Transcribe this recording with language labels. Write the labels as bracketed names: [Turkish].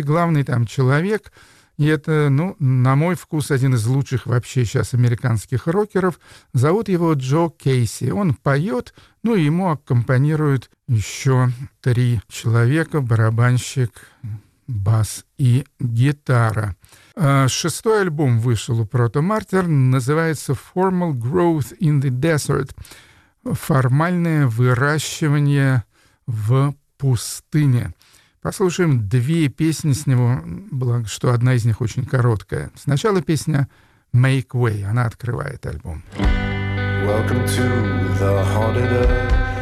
[Russian] Главный там человек, и это, ну, на мой вкус, один из лучших вообще сейчас американских рокеров. Зовут его Джо Кейси. Он поет, ну, и ему аккомпанируют еще три человека: барабанщик, бас и гитара. Шестой альбом вышел у Proto Martyr, называется «Formal Growth in the Desert». «Формальное выращивание в пустыне». Послушаем две песни с него, благо что одна из них очень короткая. Сначала песня «Make Way», она открывает альбом. [English] Welcome to the haunted earth.